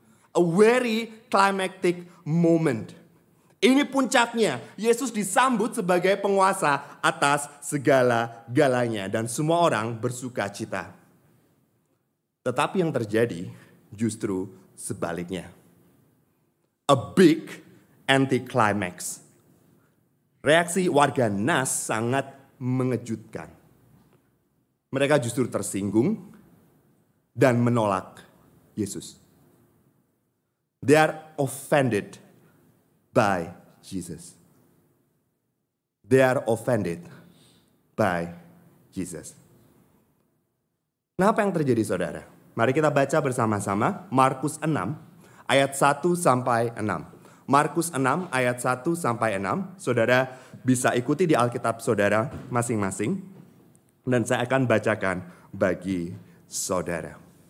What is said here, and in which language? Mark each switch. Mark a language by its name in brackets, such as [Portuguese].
[English] A very climactic moment. [Indonesian] Ini puncaknya, Yesus disambut sebagai penguasa atas segala galanya. Dan semua orang bersuka cita. Tetapi yang terjadi justru sebaliknya. [English] A big anti-climax. [Indonesian] Reaksi warga Nas sangat mengejutkan. Mereka justru tersinggung dan menolak Yesus. [English] They are offended by Jesus. They are offended by Jesus. [Indonesian] Nah, apa yang terjadi saudara? Mari kita baca bersama-sama Markus 6 ayat 1-6. Markus 6 ayat 1-6, saudara bisa ikuti di Alkitab saudara masing-masing. Dan saya akan bacakan bagi saudara.